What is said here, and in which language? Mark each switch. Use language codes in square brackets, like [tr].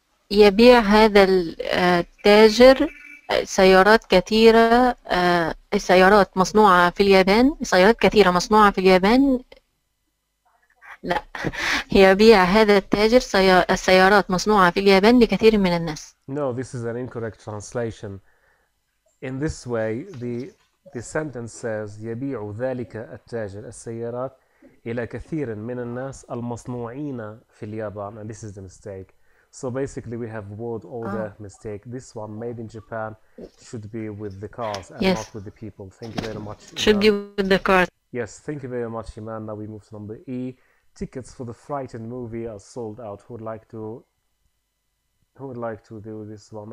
[ar] يبيع هذا التاجر سيارات كثيرة سيارات مصنوعة في اليابان سيارات كثيرة مصنوعة في اليابان لا يبيع هذا التاجر السيارات مصنوعة في اليابان لكثير من الناس. [en] No, this is an incorrect translation. In this way, the sentence says [ar] يبيع ذلك التاجر السيارات إلى كثير من الناس المصنوعين في اليابان. [en] And this is the mistake. So basically, we have word order mistake. This one, made in Japan, should be with the cars and yes. not with the people. Thank you very much, Iman. Should be with the cars. Yes, thank you very much, Iman. Now we move to number E. Tickets for the Frightened movie are sold out. Who would like to do this one?